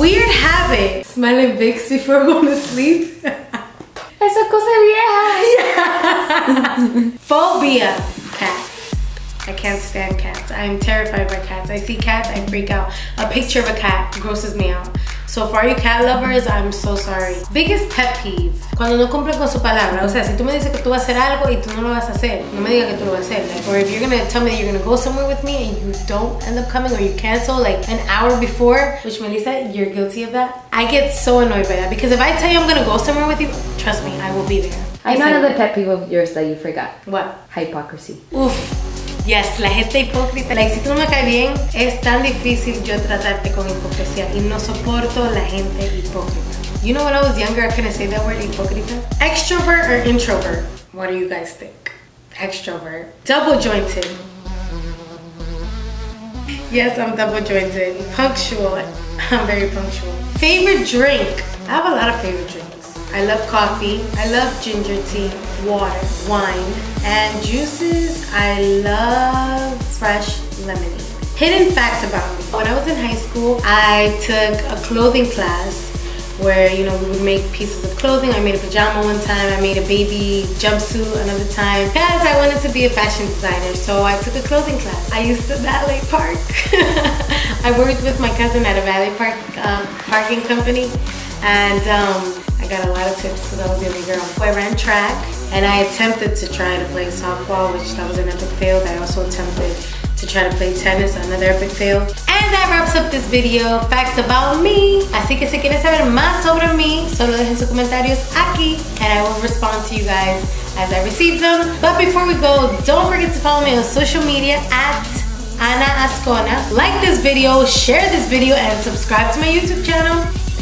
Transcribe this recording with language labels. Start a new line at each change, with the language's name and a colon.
English: Weird habit. Smelling Vicks before going to sleep.
Spanish: Esa cosa vieja.
English: Phobia. I can't stand cats. I'm terrified by cats. I see cats, I freak out. A picture of a cat grosses me out. So for you cat lovers, I'm so sorry. Biggest pet peeve.
Spanish: Cuando no cumple con su palabra. O sea, si tú me dices que tú vas a hacer algo y tú no lo vas a hacer, no me digas que tú lo vas a hacer.
English: Like, or if you're gonna tell me that you're gonna go somewhere with me and you don't end up coming or you cancel like an hour before, which Melissa, you're guilty of that. I get so annoyed by that because if I tell you I'm gonna go somewhere with you, trust me, I will be there. I know another pet peeve of yours that you forgot. What? Hypocrisy.
Spanish: Oof. Yes, la gente hipócrita. Like, si tú no me caes bien, es tan difícil yo tratarte con hipocresía. Y no soporto la gente hipócrita.
English: You know when I was younger, can I say that word, hipócrita? Extrovert or introvert? What do you guys think? Extrovert. Double jointed. Yes, I'm double jointed. Punctual. I'm very punctual. Favorite drink? I have a lot of favorite drinks. I love coffee. I love ginger tea. Water. Wine. And juices, I love fresh lemonade. Hidden facts about me. When I was in high school, I took a clothing class where, you know, we would make pieces of clothing. I made a pajama one time, I made a baby jumpsuit another time. Because I wanted to be a fashion designer, so I took a clothing class. I used to Valet Park. I worked with my cousin at a Valet Park parking company. And I got a lot of tips because I was the only girl. So I ran track. And I attempted to try to play softball, which that was an epic fail. I also attempted to try to play tennis, another epic fail. And that wraps up this video, facts about me.
Spanish: Así que si quieres saber más sobre mí, solo dejen sus comentarios aquí.
English: And I will respond to you guys as I receive them. But before we go, don't forget to follow me on social media at Ana Ascona. Like this video, share this video, and subscribe to my YouTube channel.